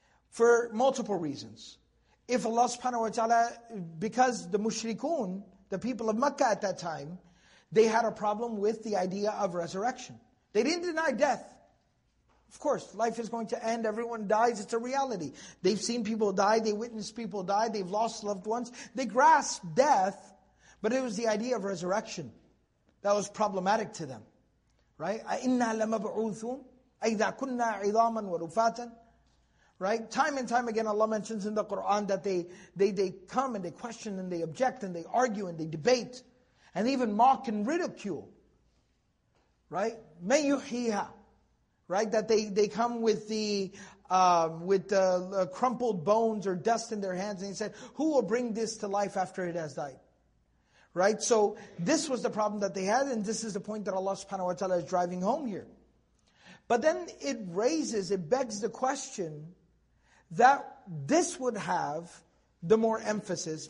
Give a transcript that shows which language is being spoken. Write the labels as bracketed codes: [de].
[en] For multiple reasons. If Allah subhanahu wa ta'ala, because the mushrikun, the people of Makkah at that time, they had a problem with the idea of resurrection. They didn't deny death. Of course, life is going to end, everyone dies, it's a reality. They've seen people die, they witnessed people die, they've lost loved ones. They grasped death, but it was the idea of resurrection that was problematic to them. Right? [ar] أَإِنَّا لَمَبْعُوثُونَ أَيْذَا كُنَّا عِظَامًا وَرُفَاتًا [en] Right? Time and time again Allah mentions in the Qur'an that they come and they question and they object and they argue and they debate and even mock and ridicule. Right? [ar] مَنْ يُحْيِيهَا [en] Right? That they come with the crumpled bones or dust in their hands and he said, who will bring this to life after it has died? Right? So this was the problem that they had and this is the point that Allah subhanahu wa ta'ala is driving home here. But then it begs the question, that this would have the more emphasis.